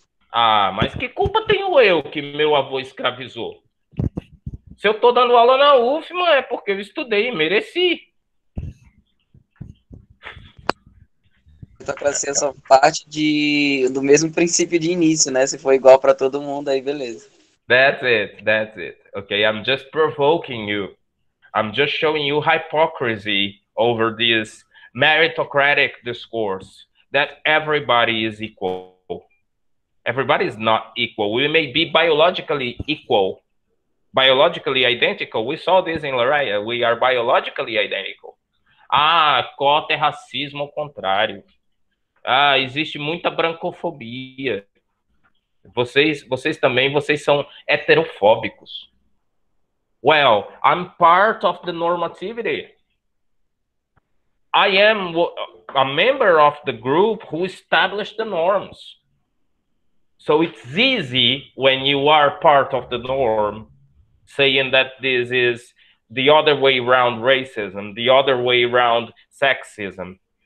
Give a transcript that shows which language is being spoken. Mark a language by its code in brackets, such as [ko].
[pt] Ah, mas que culpa tenho eu que meu avô escravizou? Se eu tô dando aula na UFMA, é porque eu estudei e mereci. Então, para ser só parte do mesmo princípio de início, né? Se for igual para todo mundo, aí beleza. [en] That's it. Okay, I'm just provoking you. I'm just showing you hypocrisy over this meritocratic discourse that everybody is equal. Everybody is not equal. We may be biologically equal, biologically identical. We saw this in Lareya. We are biologically identical. [pt] Ah, cota é racismo ao contrário. Ah, existe muita brancofobia. Vocês também, vocês são heterofóbicos. [en] Well, I'm part of the normativity. I am a member of the group who established the norms. So it's easy when you are part of the norm saying that this is the other way around racism, the other way around sexism.